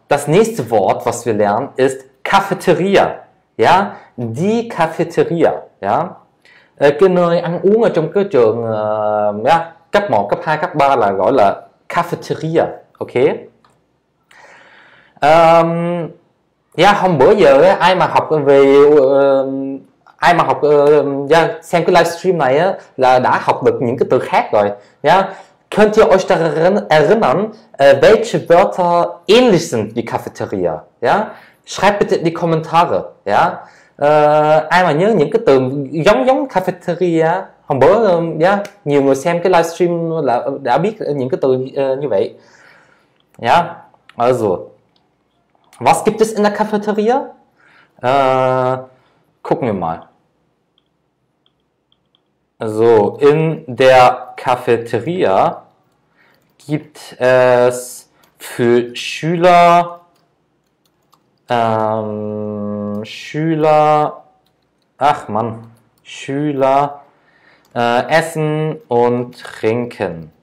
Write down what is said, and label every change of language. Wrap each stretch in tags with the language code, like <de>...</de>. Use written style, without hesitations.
<de>Das nächste Wort, was wir lernen, ist Cafeteria. Ja, die Cafeteria.</de> <vi>Ja, cái nơi ăn uống ở trong cái trường, ja, cấp 1, cấp 2, cấp 3 là gọi là Cafeteria. Okay. Dạ, hôm bữa giờ ai mà học về ai mà học xem cái livestream này là đã học được những cái từ khác rồi nhá.</vi> <de>Könnt ihr euch daran erinnern, welche Wörter ähnlich sind wie Cafeteria? Ja, schreibt bitte in die Kommentare.</de> <vi>Ja, ai mà nhớ những cái từ giống giống Cafeteria? Hôm bữa nhiều người xem cái livestream là đã biết những cái từ như vậy.</vi> <de>Ja, also. Was gibt es in der Cafeteria? Gucken wir mal. So, in der Cafeteria gibt es für Schüler, ach Mann, Schüler, Essen und Trinken.</de>